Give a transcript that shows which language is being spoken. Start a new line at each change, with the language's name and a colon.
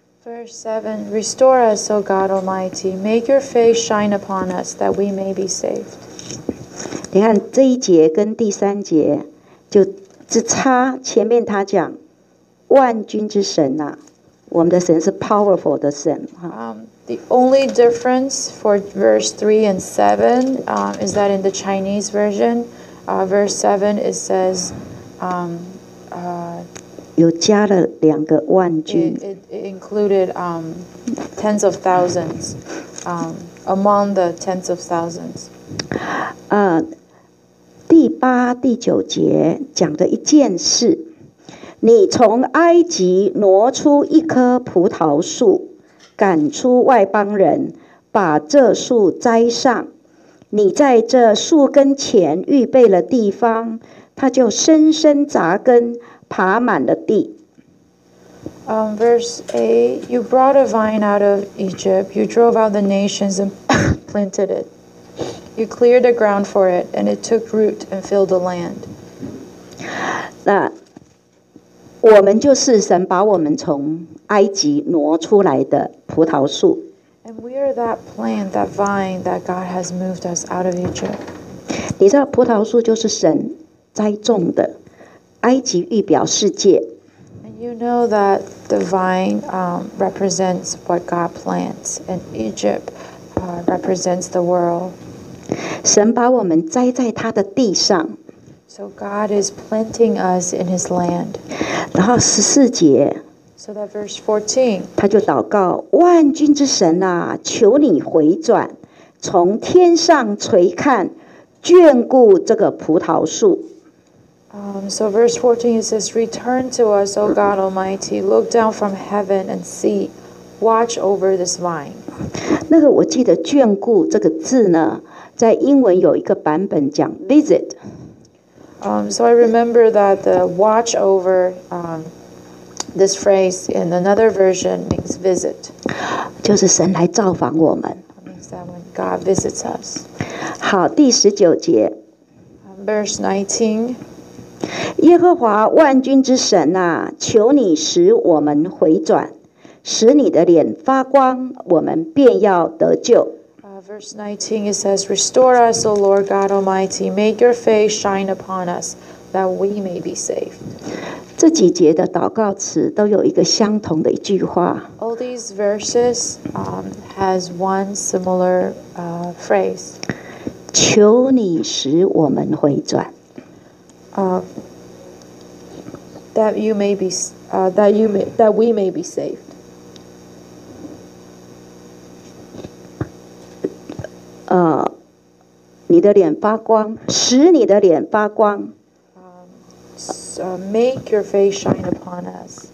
English: Verse 7 Restore us, O God Almighty Make your face shine upon us that we may be saved
Chinese: 你看这一节跟第三节就只差前面他讲万军之神啊，我们的神是 powerful 的神。
English: The only difference for verse 3 and 7 is that in the Chinese version, verse 7 it says,
Chinese: 有加了两个万军。
English: It included tens of thousands, among the tens of thousands.
Chinese: 第八、第九节讲的一件事。你从埃及挪出一棵葡萄树，赶出外邦人，把这树栽上。你在这树根前预备了地方，它就深深扎根，爬满了地。
English: Verse 8, you brought a vine out of Egypt, you drove out the nations and planted it. You cleared the ground for it, and it took root and filled the land.
Chinese: 那我们就是神把我们从埃及挪出来的葡萄树。
English: And we are that plant, that vine that God has moved us out of Egypt.
Chinese: 你知道葡萄树就是神栽种的，埃及预表世界。
English: And you know that the vine represents what God plants, and Egypt represents the world.
Chinese: 神把我们栽在他的地上。
English: So God is planting us in His land.
Chinese: 然后十四节
English: So that verse 14.
Chinese: 他就祷告万军之神啊求你回转从天上垂看眷顾这个葡萄树
English: So verse 14 it says, Return to us, O God Almighty. Look down from heaven and see. Watch over this vine.
Chinese: 那个我记得眷顾这个字呢在英文有一个版本讲 visit.
English: So I remember that the watch over this phrase in another version means visit.
Chinese: 就是神来造访我们。
English: It means that when God visits us.
Chinese: 好，第十九节。
English: Verse 19.
Chinese: 耶和华万军之神啊，求你使我们回转，使你的脸发光，我们便要得救。
English: Verse 19, it says, Restore us, O Lord God Almighty. Make your face shine upon us, that we may be saved.
Chinese: 这几节的祷告词都有一个相同的一句话。
English: All these verses, has one similar, phrase.
Chinese: 求你使我们回转。
English: That you may be, that we may be saved.
Chinese: 你的脸发光，使你的脸发光。
English: Make your face shine upon us.